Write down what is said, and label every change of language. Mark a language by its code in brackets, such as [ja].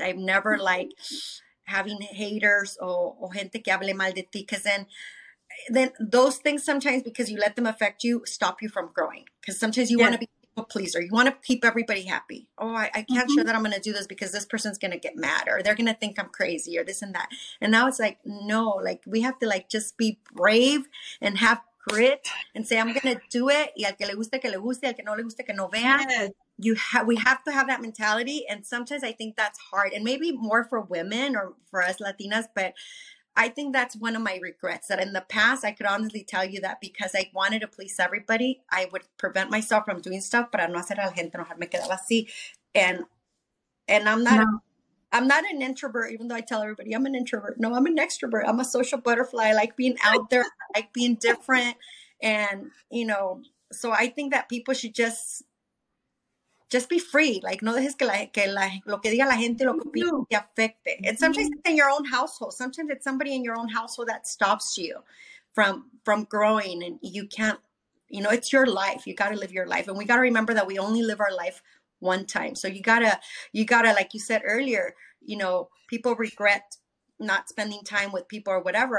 [en] I've never liked having haters or [es] gente que hable mal de ti, [en] because then those things sometimes, because you let them affect you, stop you from growing. Because sometimes you want to be a pleaser. You want to keep everybody happy. Oh, I can't mm-hmm. sure that I'm going to do this because this person's going to get mad, or they're going to think I'm crazy, or this and that. And now it's like, no, like we have to like just be brave and have grit and say, I'm going to do it. [es] Y al que le guste, que le guste. Al que no le guste, que no vea. [en] Yeah. We have to have that mentality. And sometimes I think that's hard. And maybe more for women or for us Latinas. But I think that's one of my regrets. That in the past, I could honestly tell you that because I wanted to please everybody, I would prevent myself from doing stuff. [es] Para no hacer a la gente enojarme, quedaba así. [en] And I'm not... No. I'm not an introvert, even though I tell everybody I'm an introvert. No, I'm an extrovert. I'm a social butterfly. I like being out there. I like being different. And, you know, so I think that people should just be free. [es] Like, no dejes lo que diga la gente lo que opine te afecte. [en] And sometimes it's in your own household. Sometimes it's somebody in your own household that stops you from growing. And you can't, you know, it's your life. You got to live your life. And we got to remember that we only live our life one time. So you gotta, like you said earlier, you know, people regret not spending time with people or whatever.